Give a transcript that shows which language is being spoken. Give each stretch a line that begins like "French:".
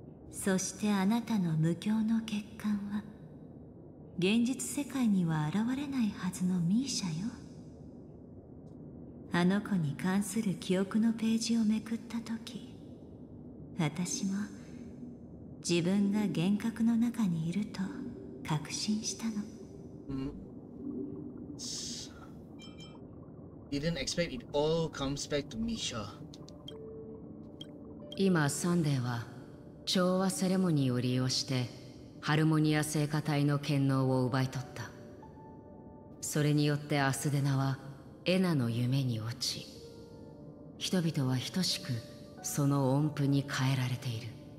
Japanese: そしてあなたの無境の欠陥は現実世界には現れないはずのミーシャよ。あの子に関する記憶のページをめくったとき、私も自分が幻覚の中にいると確信したの。
English: You didn't expect it all comes back to Misha.
Japanese: 今サンデーは調和セレモニーを利用してハルモニア聖火体の権能を奪い取った。それによってアスデナはエナの夢に落ち、人々は等しくその音符に変えられている。